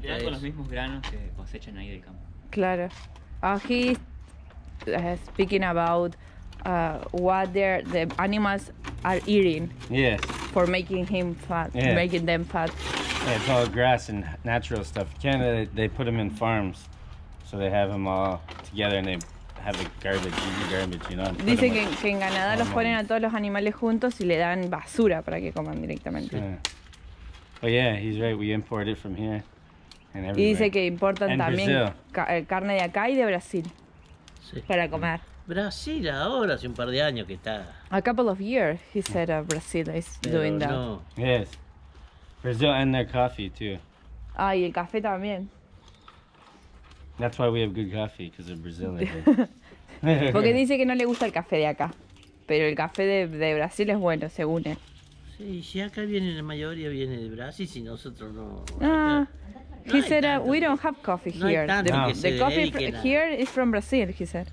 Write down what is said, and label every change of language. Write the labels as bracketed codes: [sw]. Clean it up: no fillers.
[es] Le dan con los mismos granos que cosechan ahí del campo. Claro. [en] He's speaking about what the animals are eating. Yes. For making him fat, yeah. Making them fat. Yeah, it's all grass and natural stuff. Canada, they put them in farms. So they have them all together and they have the garbage, easy garbage, you know. [es] Dicen que en Canadá los ponen a todos los animales juntos y le dan basura para que coman directamente. [en] Oh yeah, he's right, we import it from here and everywhere. [es] Y dice que importan también carne de acá y de Brasil, sí. Para comer. Brasil ahora hace un par de años que está. [en] A couple of years, he said Brazil is doing that. Yes, Brazil and their coffee too. [es] Y el café también. [en] That's why we have good coffee, because of Brazil. [es] Porque dice que no le gusta el café de acá, pero el café de Brasil es bueno, según él. Sí, si acá viene la mayoría viene de Brasil, si nosotros no. [en] He said we don't have coffee here. The coffee here is from Brazil, he said.